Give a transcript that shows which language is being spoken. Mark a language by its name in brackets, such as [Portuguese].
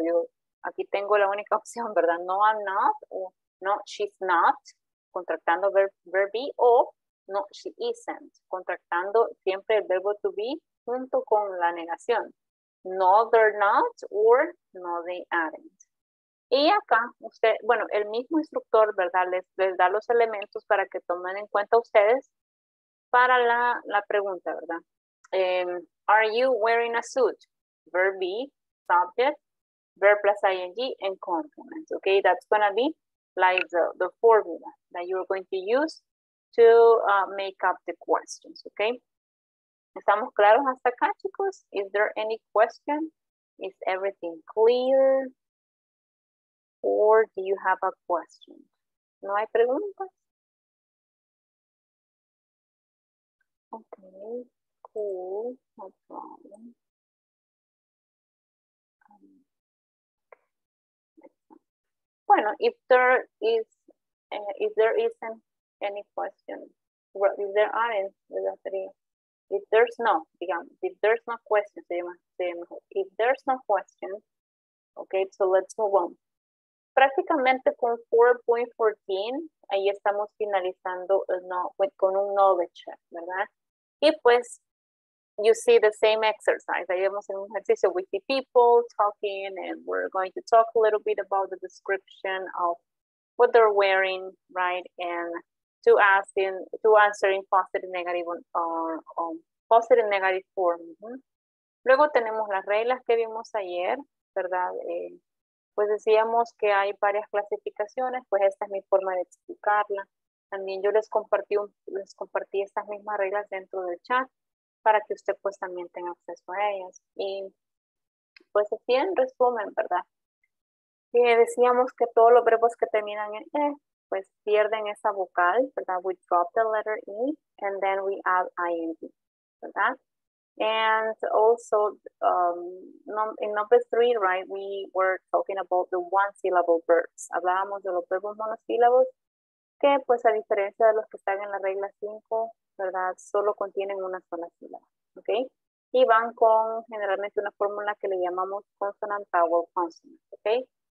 [Spanish] Yo aquí tengo la única opción, ¿verdad? [English] No, I'm not, [Spanish] o [English] no, she's not, [Spanish] contractando verb be, o [English] no, she isn't, [Spanish] contractando siempre el verbo to be junto con la negación. [English] No, they're not, or no, they aren't. [Spanish] Y acá, usted, bueno, el mismo instructor, ¿verdad? Les da los elementos para que tomen en cuenta ustedes para la pregunta, ¿verdad? [English] Are you wearing a suit? Verb be, subject, verb plus ing, and complement. Okay, that's gonna be like the formula that you're going to use to make up the questions, okay? [Spanish] ¿Estamos claros hasta acá, chicos? [English] Is there any question? Is everything clear? Or do you have a question? [Spanish] ¿No hay preguntas? [English] Okay, cool, no problem. Bueno, if there isn't any question, well, if there aren't, ¿verdad? Sería, if there's no, digamos, if there's no question, sería, if there's no question, okay, so let's move on. [Spanish] Prácticamente con 4.14, ahí estamos finalizando con un knowledge check, ¿verdad? Y pues, [English] you see the same exercise. [Spanish] Ahí vemos en un ejercicio, [English] we see people talking and we're going to talk a little bit about the description of what they're wearing, right? And to answer in positive, negative, positive, negative form. Mm-hmm. [Spanish] Luego tenemos las reglas que vimos ayer, ¿verdad? Pues decíamos que hay varias clasificaciones, pues esta es mi forma de explicarla. También yo les compartí estas mismas reglas dentro del chat para que usted pues también tenga acceso a ellas. Y pues así en resumen, ¿verdad? Y decíamos que todos los verbos que terminan en E, pues pierden esa vocal, ¿verdad? [English] We drop the letter E and then we add ing, ¿verdad? And also, in number three, right, we were talking about the one-syllable verbs. [Spanish] Hablábamos de los verbos monosílabos, que pues a diferencia de los que están en la regla 5, ¿verdad? Solo contienen una sola sílaba, ¿ok? Y van con generalmente una fórmula que le llamamos consonant vowel consonant, ¿ok?